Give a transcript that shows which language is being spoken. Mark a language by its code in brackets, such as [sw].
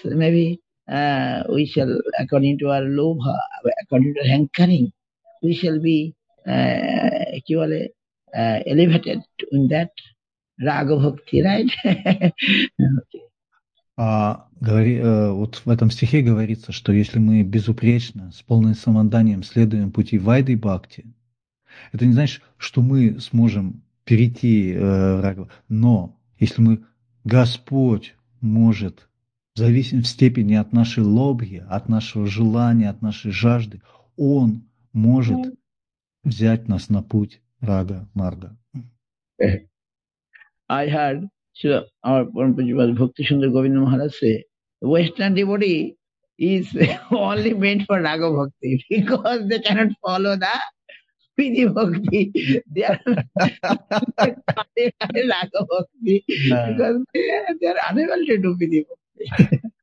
[en] Maybe we shall, according to our lobha, according to hankering, we shall be elevated in that raga bhakti, right? [ru] Вот в этом стихе говорится, что если мы безупречно, с полным самоотданием следуем пути вайды бхакти, это не значит, что мы сможем перейти рагу, но если мы, Господь может, в зависимости от степени от нашей лобхи, от нашего желания, от нашей жажды, Он может взять нас на путь рага марга. [en] I heard our Parampajivad Bhakti Sundar Govinda Maharaj say, Western devotee is only meant for raga bhakti because they cannot follow the Vidhi bhakti, they are lack of bhakti because they are unable to do vidhi bhakti.